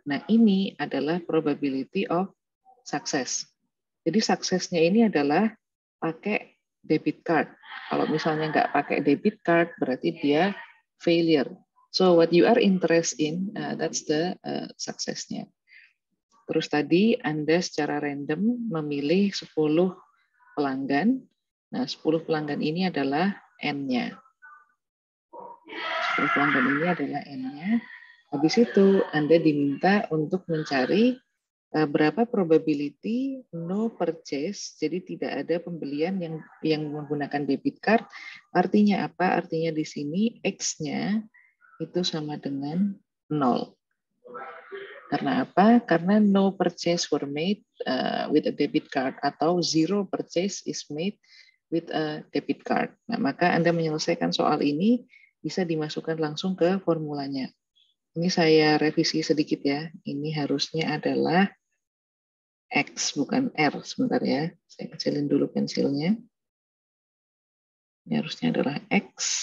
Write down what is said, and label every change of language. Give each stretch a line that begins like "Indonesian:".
Indonesian: Nah, ini adalah probability of success. Jadi, suksesnya ini adalah pakai debit card. Kalau misalnya nggak pakai debit card, berarti dia failure.
English: So, what you are interested in, that's the success-nya.
Indonesian: Terus tadi Anda secara random memilih 10 pelanggan. Nah, 10 pelanggan ini adalah N-nya. 10 pelanggan ini adalah N-nya. Habis itu Anda diminta untuk mencari berapa probability
English: no purchase,
Indonesian: jadi tidak ada pembelian yang menggunakan debit card. Artinya apa? Artinya di sini X-nya itu sama dengan 0. Karena apa? Karena
English: no purchase were made with a debit card
Indonesian: atau
English: zero purchase is made with a debit card.
Indonesian: Nah, maka Anda menyelesaikan soal ini bisa dimasukkan langsung ke formulanya. Ini saya revisi sedikit ya. Ini harusnya adalah X bukan R. Sebentar ya, saya kecilin dulu pensilnya. Ini harusnya adalah X.